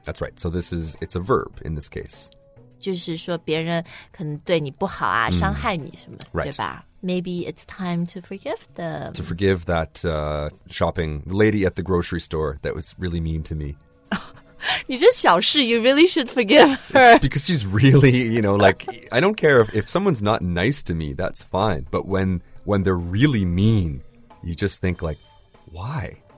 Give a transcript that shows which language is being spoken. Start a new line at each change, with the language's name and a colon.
English: that's right so this is it's a verb in this case
Chinese: 就是说别人可能对你不好啊、mm. 伤害你什么、
English: right.
Chinese: 对吧
English: Maybe it's time to forgive them. To forgive that shopping lady at the grocery store that was really mean to me.
Chinese: 你这小事,
English: you really should forgive her. It's because she's really, you know, like, I don't care if someone's not nice to me, that's fine. But when they're really mean, you just think like, why?